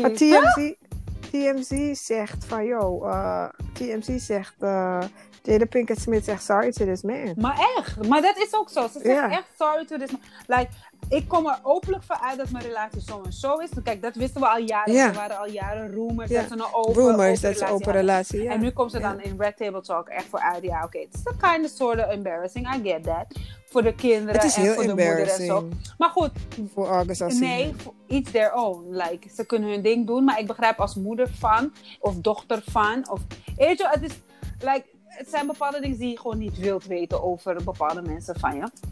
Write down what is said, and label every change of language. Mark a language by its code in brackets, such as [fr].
[nl] Maar TMZ... Huh? TMZ zegt van, yo, TMZ zegt, Jada Pinkett Smith zegt [en] sorry to this man. [nl] Maar echt, maar dat is ook zo. Ze zegt echt [en] sorry to this man. [nl] Like, ik kom er openlijk voor uit dat mijn relatie zo en zo is. Kijk, dat wisten we al jaren. Yeah. Er waren al jaren rumors dat ze een open relatie Ja. En nu komt ze dan in Red Table Talk echt voor uit. Ja, oké, [en] it's a kind of sort of embarrassing, I get that. [nl] Voor de kinderen en voor de moeder en zo. Maar goed. Voor August als [en] nee, it's their own. [nl] Like, ze kunnen hun ding doen, maar ik begrijp als moeder van, of dochter van, of... Weet je, het is, like, het zijn bepaalde dingen die je gewoon niet wilt weten over bepaalde mensen van je.